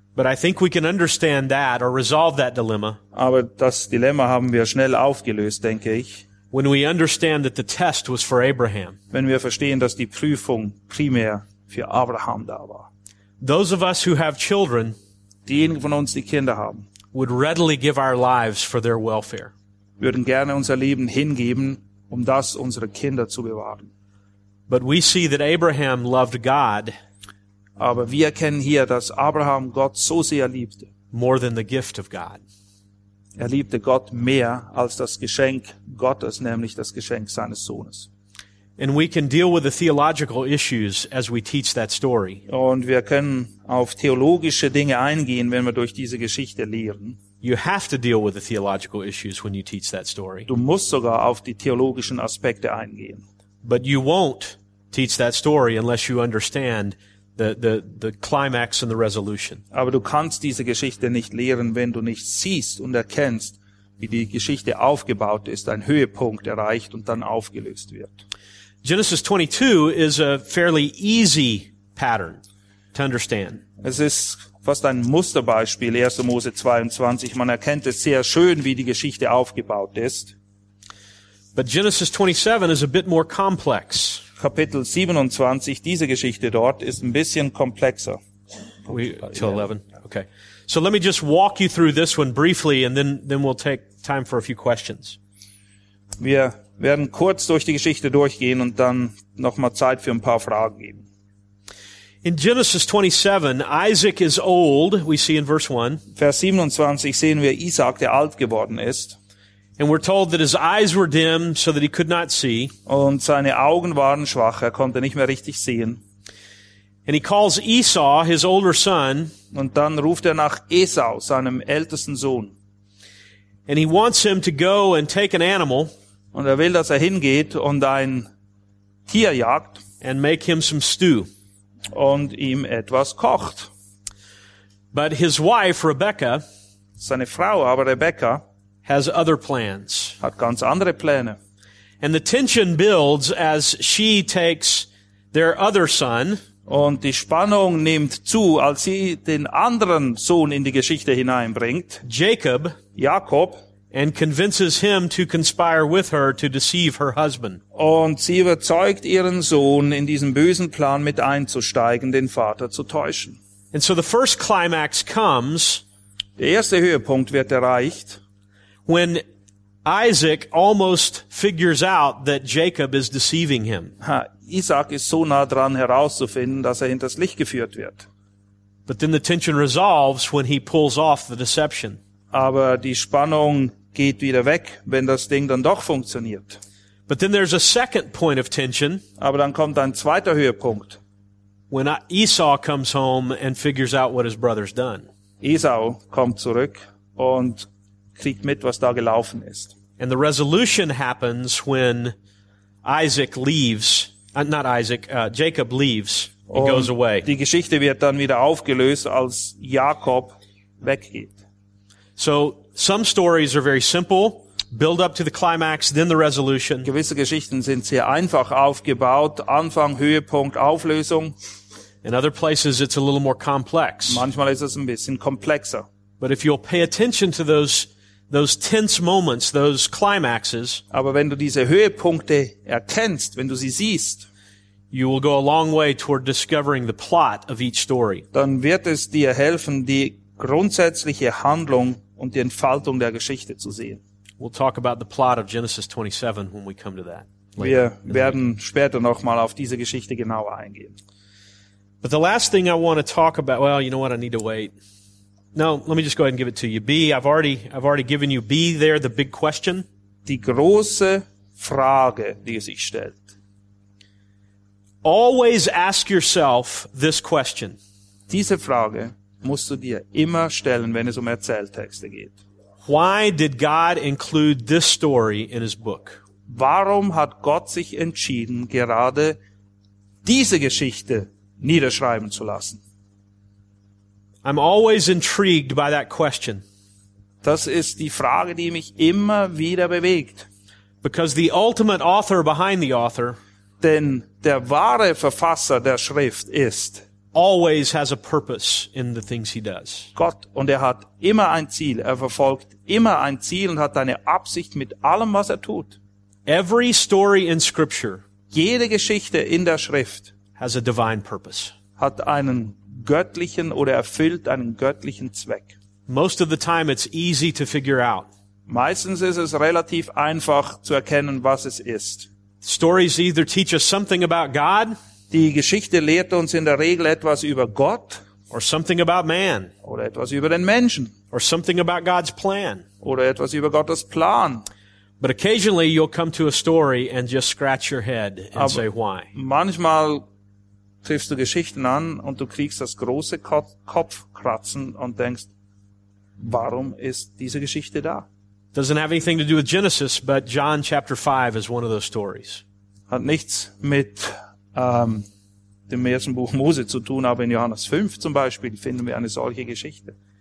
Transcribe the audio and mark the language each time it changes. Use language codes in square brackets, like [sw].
[en] But I think we can understand that or resolve that dilemma. [de] Aber das Dilemma haben wir schnell aufgelöst, denke ich. [en] When we understand that the test was for Abraham. [de] Wenn wir verstehen, dass die Prüfung primär für Abraham da war. [en] Those of us who have children, [de] diejenigen von uns, die Kinder haben, [en] would readily give our lives for their welfare. [de] Würden gerne unser Leben hingeben, um das unserer Kinder zu bewahren. [en] But we see that Abraham loved God. [de] Aber wir erkennen hier, dass Abraham Gott so sehr liebte. [en] More than the gift of God. [de] Er liebte Gott mehr als das Geschenk Gottes, nämlich das Geschenk seines Sohnes. [en] And we can deal with the theological issues as we teach that story. [de] Und wir können auf theologische Dinge eingehen, wenn wir durch diese Geschichte lehren. [en] You have to deal with the theological issues when you teach that story. [de] Du musst sogar auf die theologischen Aspekte eingehen. [en] But you won't teach that story unless you understand the climax and the resolution. [de] Aber du kannst diese Geschichte nicht lehren, wenn du nicht siehst und erkennst, wie die Geschichte aufgebaut ist, ein Höhepunkt erreicht und dann aufgelöst wird. [en] Genesis 22 is a fairly easy pattern to understand. [de] Es ist fast ein Musterbeispiel, 1. Mose 22. Man erkennt es sehr schön, wie die Geschichte aufgebaut ist. [en] But Genesis 27 is a bit more complex. [de] Kapitel 27, diese Geschichte dort, ist ein bisschen komplexer. [en] Till 11. Okay. So let me just walk you through this one briefly and then we'll take time for a few questions. [de] Wir werden kurz durch die Geschichte durchgehen und dann noch mal Zeit für ein paar Fragen geben. [en] In Genesis 27, Isaac is old, we see in verse 1. [de] Vers 27 sehen wir Isaac, der alt geworden ist. [en] And we're told that his eyes were dim so that he could not see. [de] Und seine Augen waren schwach, er konnte nicht mehr richtig sehen. [en] And he calls Esau, his older son. [de] Und dann ruft er nach Esau, seinem ältesten Sohn. [en] And he wants him to go and take an animal. [de] Und er will, dass er hingeht und ein Tier jagt. [en] And make him some stew. [de] Und ihm etwas kocht. [en] But his wife, Rebecca. [de] Seine Frau, aber Rebecca. [en] Has other plans. [de] Hat ganz andere Pläne. [en] And the tension builds as she takes their other son. [de] Und die Spannung nimmt zu, als sie den anderen Sohn in die Geschichte hineinbringt. [en] Jacob. [de] Jakob. [en] and convinces him to conspire with her to deceive her husband. [de] Und sie überzeugt ihren Sohn, in diesen bösen Plan mit einzusteigen, den Vater zu täuschen. [en] And so the first climax comes. [de] Der erste Höhepunkt wird erreicht, [en] when Isaac almost figures out that Jacob is deceiving him. [de] Isaac ist so nah dran herauszufinden, dass er hinters Licht geführt wird. [en] But then the tension resolves when he pulls off the deception. [de] Aber die Spannung geht wieder weg, wenn das Ding dann doch funktioniert. [en] But then there's a second point of tension. [de] Aber dann kommt ein zweiter Höhepunkt. [en] When Esau comes home and figures out what his brother's done. [de] Esau kommt zurück und kriegt mit, was da gelaufen ist. [en] And the resolution happens when Isaac leaves. Jacob leaves. He goes away. [de] Die Geschichte wird dann wieder aufgelöst, als Jakob weggeht. [en] So some stories are very simple, build up to the climax, then the resolution. [de] Gewisse Geschichten sind sehr einfach aufgebaut, Anfang, Höhepunkt, Auflösung. [en] In other places it's a little more complex. [de] Manchmal ist es ein bisschen komplexer. [en] But if you'll pay attention to those tense moments, those climaxes, [de] aber wenn du diese Höhepunkte erkennst, wenn du sie siehst, [en] you will go a long way toward discovering the plot of each story. [de] Dann wird es dir helfen, die grundsätzliche Handlung und die Entfaltung der Geschichte zu sehen. [en] We'll talk about the plot of Genesis 27 when we come to that. [de] Wir werden später noch mal auf diese Geschichte genauer eingehen. [en] But the last thing I want to talk about, well, you know what, I need to wait. No, let me just go ahead and give it to you. B, I've already given you B there, the big question. [de] Die große Frage, die sich stellt. [en] Always ask yourself this question. [de] Diese Frage musst du dir immer stellen, wenn es um Erzähltexte geht. [en] Why did God include this story in his book? [de] Warum hat Gott sich entschieden, gerade diese Geschichte niederschreiben zu lassen? [en] I'm always intrigued by that question. [de] Das ist die Frage, die mich immer wieder bewegt. [en] Because the ultimate author behind the author, [de] denn der wahre Verfasser der Schrift ist, [en] always has a purpose in the things he does. [de] Gott, und er hat immer ein Ziel. Er verfolgt immer ein Ziel und hat eine Absicht mit allem, was er tut. [en] Every story in Scripture, [de] jede Geschichte in der Schrift, [en] has a divine purpose. [de] Hat einen göttlichen oder erfüllt einen göttlichen Zweck. [en] Most of the time it's easy to figure out. [de] Meistens ist es relativ einfach zu erkennen, was es ist. [en] Stories either teach us something about God, [de] die Geschichte lehrt uns in der Regel etwas über Gott, [en] or something about man, [de] oder etwas über den Menschen, [en] or something about God's plan, [de] oder etwas über Gottes Plan. [en] But occasionally you'll come to a story and just scratch your head and say why. [de] Manchmal triffst du Geschichten an und du kriegst das große Kopfkratzen und denkst, warum ist diese Geschichte da? [en] Doesn't have anything to do with Genesis, but John chapter 5 is one of those stories. [de] Hat nichts mit dem ersten Buch Mose zu tun, aber in Johannes 5 zum Beispiel finden wir eine solche Geschichte.